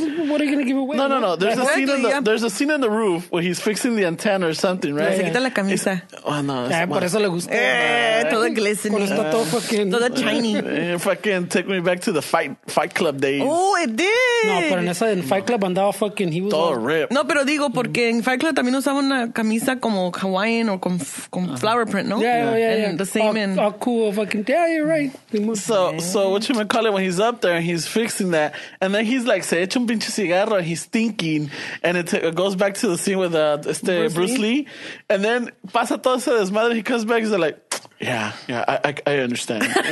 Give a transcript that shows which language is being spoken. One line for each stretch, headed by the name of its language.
English: What are you gonna give away? No. There's a scene in the roof where he's fixing the antenna or something, right?
Spanish: Se quita la camisa.
English: Oh no.
Spanish: Por eso le gusta. Todo glistening. Todo
English: shiny. Fucking take me back to the fight club days. Oh, it did.
Spanish: No, pero en esa en Fight Club andaba fucking,
English: he was
Spanish: todo
English: ripped.
Spanish: No, pero digo porque en Fight Club también usaban una camisa como Hawaiian o con flower print, ¿no?
English: Yeah. And the same all cool fucking. Yeah, you're right. So what you might call it, when he's up there and he's fixing that, and then he's like,
Spanish: se echa un pinche cigarro,
English: and he's thinking, and it goes back to the scene with Bruce Lee. And then
Spanish: pasa todo ese desmadre,
English: he comes back, he's like, I understand.